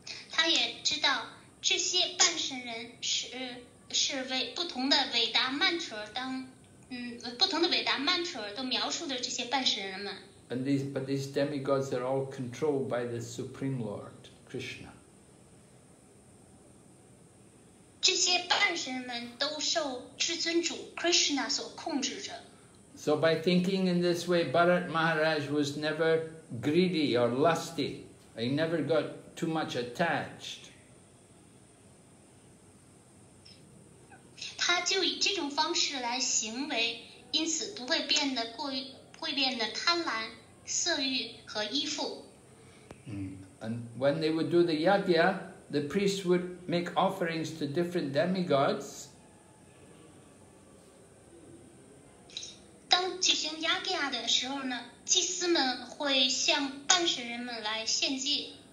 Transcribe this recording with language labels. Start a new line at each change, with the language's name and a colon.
Chinese: 他也知道这些半神人是为不同的伟大曼陀当，不同的伟大曼陀都描述的这些半神人们。
English: And these demigods are all controlled by the Supreme Lord Krishna.
Chinese: 这些半神人们都受至尊主 Krishna 所控制着。
English: So by thinking in this way, Bharat Maharaj was never greedy or lusty. He never got too much attached.
Chinese: 他就以这种方式来行为，因此不会变得贪婪、色欲和依附。
English: And when they would do the yajna, the priests would make offerings to different demigods.
Chinese: 举行 Yagya 的时候呢，祭司们会向半神人们来献祭。